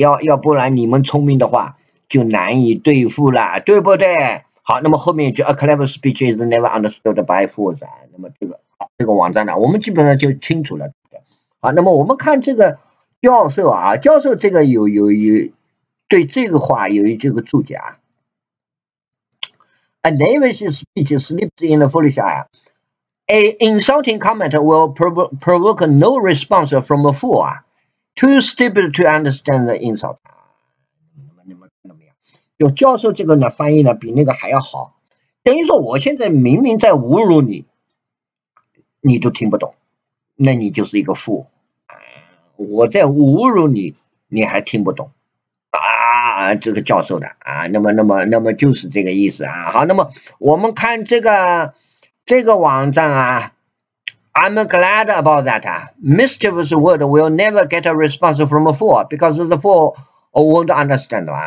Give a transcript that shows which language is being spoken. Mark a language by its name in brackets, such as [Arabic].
[Chinese] 要不然你们聪明的话就难以对付了，对不对？好，那么后面就 [English] A clever speech is never understood by fools。 [Chinese] 那么这个网站呢，我们基本上就清楚了，对不对？好，那么我们看这个教授啊，教授这个有对这个话有这个注解啊。 [English] A knavish speech slips in the foolish eye. A insulting comment will provoke no response from a fool啊。 Too stupid to understand the insult。 [Chinese] 你们看到没有？就教授这个呢，翻译呢比那个还要好。等于说，我现在明明在侮辱你，你都听不懂，那你就是一个fool。我在侮辱你，你还听不懂啊？这个教授的啊，那么就是这个意思啊。好，那么我们看这个网站啊。 [English] I'm glad about that. Mischievous word will never get a response from a fool because the fool won't understand.